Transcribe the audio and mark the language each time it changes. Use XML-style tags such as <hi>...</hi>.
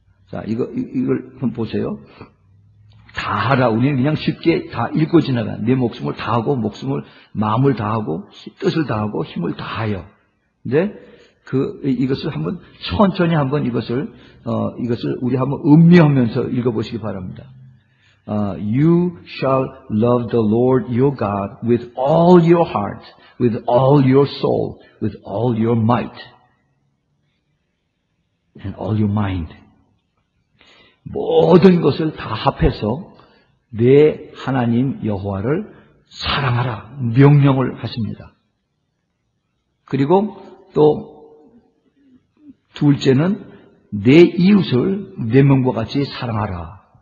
<ko>자, 이걸 한번 보세요. 다하라. 우리는 그냥 쉽게 다 읽고 지나가. 내 목숨을 다하고 목숨을 마음을 다하고 뜻을 다하고 힘을 다하여. 근데 이것을 한번 천천히 한번 이것을 우리 한번 음미하면서 읽어보시기 바랍니다.</ko> <en>You shall love the Lord your God with all your heart, with all your soul, with all your might, and all your mind.</en> <ko>모든 것을 다 합해서 내 하나님 여호와를 사랑하라 명령을 하십니다. 그리고 또 둘째는 내 이웃을 내 몸과 같이 사랑하라.</ko>